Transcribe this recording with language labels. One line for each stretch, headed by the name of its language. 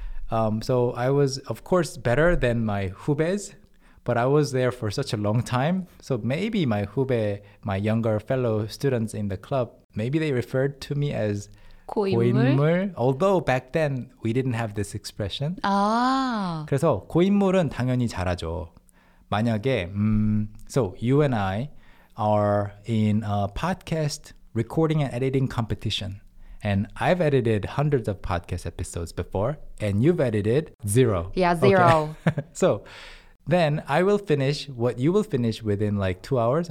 English: So I was, of course, better than my 후배s, but I was there for such a long time. So maybe my 후배, my younger fellow students in the club, maybe they referred to me as
Korean: 고인물?
English: Although back then, we didn't have this expression.
Korean: 아. 그래서 고인물은 당연히 잘하죠. 만약에,
English: so you and I are in a podcast recording and editing competition. And I've edited hundreds of podcast episodes before, and you've edited zero. Yeah, zero. Okay. So then I will finish what you will finish within like 2 hours.